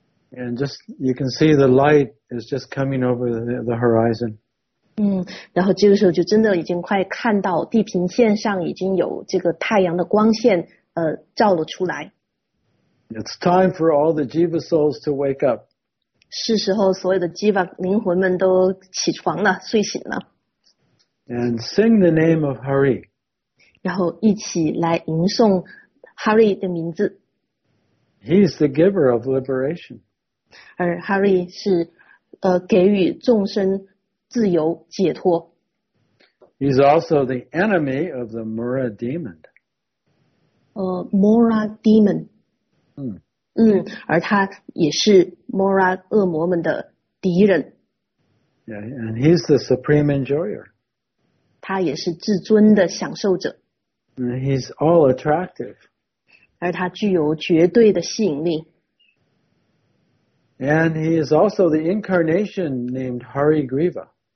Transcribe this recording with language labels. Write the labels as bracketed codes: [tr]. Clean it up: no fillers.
[en] And just, you can see the light is just coming over the horizon. [zh] 然后这个时候就真的已经快看到地平线上已经有这个太阳的光线照了出来。 [en] It's time for all the Jiva souls to wake up. [zh] 是时候所有的 Jiva 灵魂们都起床了睡醒了 [en] and sing the name of Hari [zh] 然后一起来吟诵 Hari 的名字 [en] He's the giver of liberation [zh] 而 Hari 是给予众生自由解脱 [en] He's also the enemy of the Mura demon Mura demon [zh] 而他也是 Mora 恶魔们的敌人。 [en] Yeah, and he's the supreme enjoyer. [zh] 他也是至尊的享受者。 [en] And he's all attractive. [zh] 而他具有绝对的吸引力。 [en] And he is also the incarnation named Hari Griva.